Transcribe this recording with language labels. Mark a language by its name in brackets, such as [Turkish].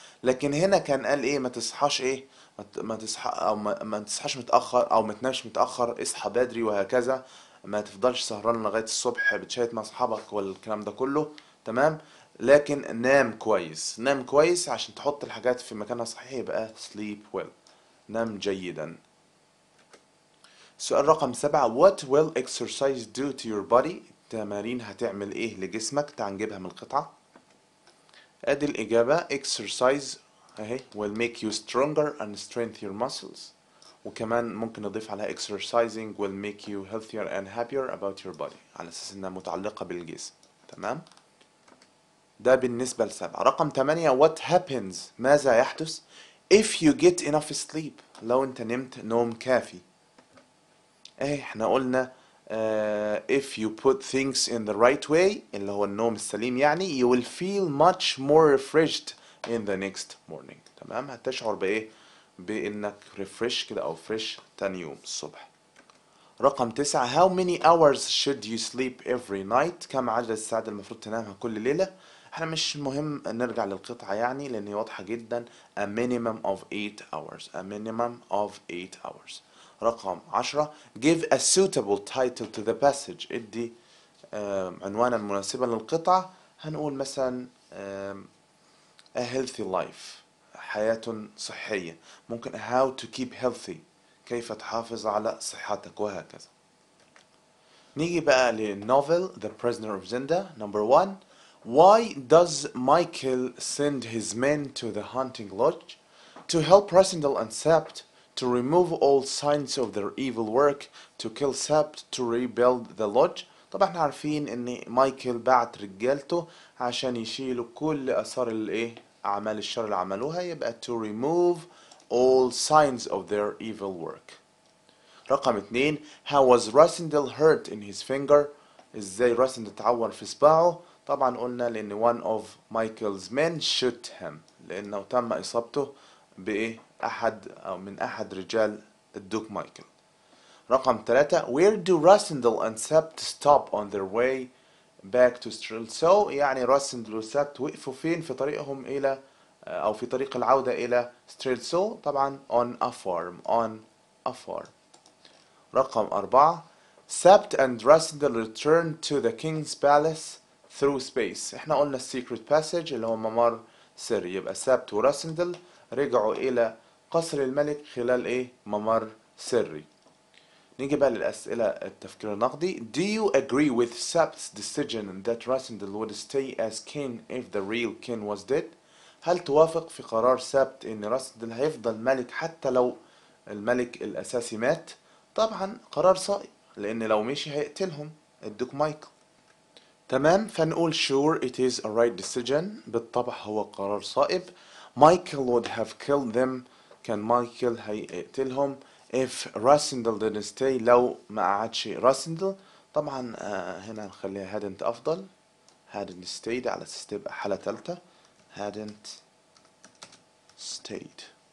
[Arabic] لكن هنا كان قال ايه؟ ما تصحاش ايه؟ ما تصحاش متأخر, او ما تنامش متأخر, اصحى بدري وهكذا, ما تفضلش سهران لغاية الصبح بتشايت مع صحابك والكلام ده كله, تمام؟ لكن نام كويس, نام كويس عشان تحط الحاجات في مكانها الصحيح, يبقى [English] sleep well, [Arabic] نام جيدا. سؤال رقم 7, [English] what will exercise do to your body؟ [Arabic] التمارين هتعمل ايه لجسمك؟ تعال نجيبها من القطعة. ادي الاجابة, [English] exercise اهي will make you stronger and strengthen your muscles, وكمان ممكن نضيف عليها exercising will make you healthier and happier about your body, [Arabic] على اساس انها متعلقة بالجسم, تمام؟ ده بالنسبة لسبعة. رقم تمانية, [English] what happens, [Arabic] ماذا يحدث [English] if you get enough sleep, [Arabic] لو انت نمت نوم كافي. [English] احنا قلنا if you put things in the right way, [Arabic] اللي هو النوم السليم يعني, [English] you will feel much more refreshed in the next morning. [Arabic] تمام, هتشعر بايه, بانك refresh كده او fresh تاني يوم الصبح. رقم تسعة, [English] how many hours should you sleep every night, [Arabic] كم عدد الساعات المفروض تنامها كل ليلة. احنا مش مهم نرجع للقطعة يعني, لان هي واضحة جدا, [English] a minimum of 8 hours, [Arabic] a minimum of 8 hours. رقم عشرة, [English] give a suitable title to the passage, [Arabic] ادي عنوانا مناسبا للقطعة, هنقول مثلا [English] a healthy life, [Arabic] حياة صحية, ممكن [English] how to keep healthy, [Arabic] كيف تحافظ على صحتك, وهكذا. نيجي بقى للنوفل [English] The Prisoner of Zenda. Number one, why does Michael send his men to the hunting lodge to help Rassendyll and Sept to remove all signs of their evil work, to kill Sept, to rebuild the lodge. [Arabic] طبعا احنا عارفين ان مايكل بعت رجالته عشان يشيلوا كل اثار الايه, اعمال الشر اللي عملوها, يبقى [English] to remove all signs of their evil work. [Arabic] رقم اتنين, [English] how was Rassendyll hurt in his finger, [Arabic] ازاي Rassendyll اتعور في صباعه. طبعا قلنا لان [English] one of Michael's men shot him, [Arabic] لانه تم اصابته بايه, احد او من احد رجال الدوك مايكل. رقم تلاتة, [English] where do Rassendyll and Sept stop on their way back to Strelsow, [Arabic] يعني Rassendyll و Sept وقفوا فين في طريقهم الى او في طريق العودة الى Strelsow. [English] طبعا on a farm, on a farm. [Arabic] رقم اربعة, [English] Sept and Rassendyll return to the king's palace through space, [Arabic] احنا قلنا [English] secret passage [Arabic] اللي هو ممر سري, يبقى Sept و Rassendyll رجعوا الى قصر الملك خلال ايه, ممر سري. نيجي بقى للاسئله التفكير النقدي, [English] do you agree with Sept's decision that Rassendyll would stay as king if the real king was dead, [Arabic] هل توافق في قرار Sept ان Rassendyll هيفضل ملك حتى لو الملك الاساسي مات. طبعا قرار صائب, لان لو مشي هيقتلهم الدوك مايكل. تمام, فنقول [English] sure it is a right decision, [Arabic] بالطبع هو قرار صائب. [English] Michael would have killed them, [Arabic] كان مايكل هيقتلهم, [English] if Rassendyll didn't stay, [Arabic] لو ما قعدش Rassendyll. طبعا هنا نخليها hadn't أفضل, [English] hadn't stayed [Arabic] على أساس تبقى حالة تالتة, hadn't stayed.